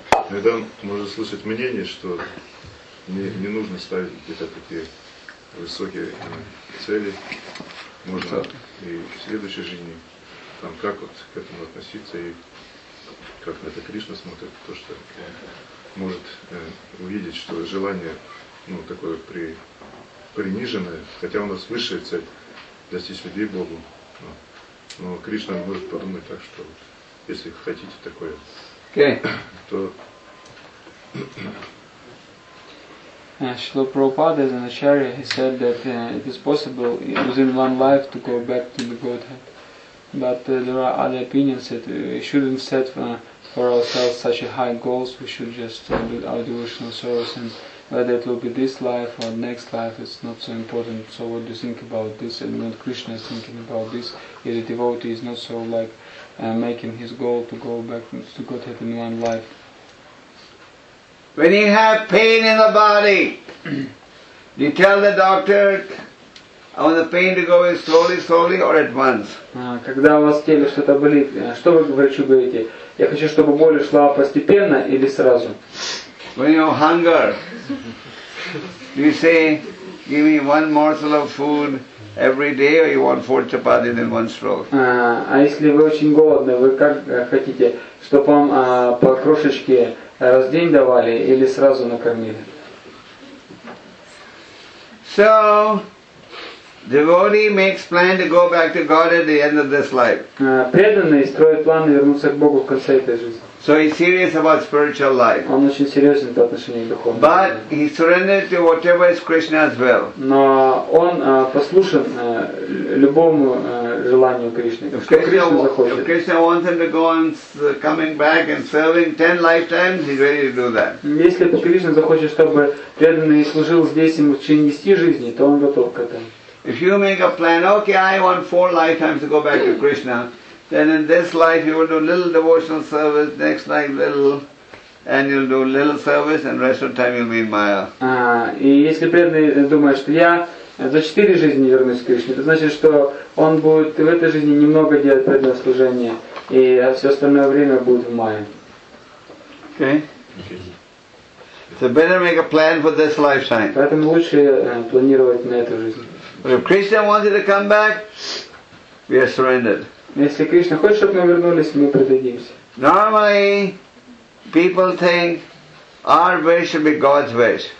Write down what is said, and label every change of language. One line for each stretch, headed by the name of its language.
Russian: Иногда можно слышать мнение, что не нужно ставить где-то такие высокие цели, можно и в следующей жизни, там как вот к этому относиться и как на это Кришна смотрит, то что может увидеть, что желание ну, такое приниженное, хотя у нас высшая цель достичь любви Богу, но Кришна может подумать так, что вот, если хотите такое, то...
English: Srila Prabhupada, as an Acharya, he said that it is possible within one life to go back to the Godhead. But there are other opinions that we shouldn't set for ourselves such a high goals. We should just do our devotional service, and whether it will be this life or next life, it's not so important. So what do you think about this, and what Krishna is thinking about this? If a devotee is not so like making his goal to go back to Godhead in one life. When you have pain in the body, you tell the doctor, I want the pain to go away slowly, slowly, or at once.
Russian: Когда у вас в теле что-то болит, что вы врачу говорите? Я хочу, чтобы боль ушла постепенно или сразу?
English: When you hunger, you say, give me one morsel of food every day, or you want four chapatis in one stroke?
Russian: А если вы очень голодны, вы как хотите, чтобы вам по крошечке раз в день давали или сразу накормили?
English: So, devotee makes plan to go back to God at the end of this life.
Russian: Преданный строит план вернуться к Богу в конце этой жизни.
English: So he's serious about spiritual life.
Russian: Он очень серьезен в отношении духовного.
English: But he surrendered to whatever is Krishna's will.
Russian: Но он послушен любому желанию Кришны.
English: Krishna wants him to go on coming back and serving 10 lifetimes. He's ready to do that.
Russian: Если Кришна захочет, чтобы преданный служил здесь ему в течение 10 жизней, то он готов к этому.
English: If you make a plan, okay, I want 4 lifetimes to go back to Krishna, then in this life you will do little devotional service, next life little, and you'll do little service, and rest of the time you'll be in Maya.
Russian: И если преданный думает, что я за 4 жизни вернусь к Кришне, это значит, что он будет в этой жизни немного делать преданное служение, и все остальное время будет в Майе.
English: Okay? So better make a plan for this lifetime.
Russian: Поэтому лучше планировать на эту жизнь.
English: But if Krishna wanted to come back, we are surrendered.
Russian: Если Кришна хочет, чтобы мы вернулись, мы предадимся.
English: Normally, people think our wish should be God's wish.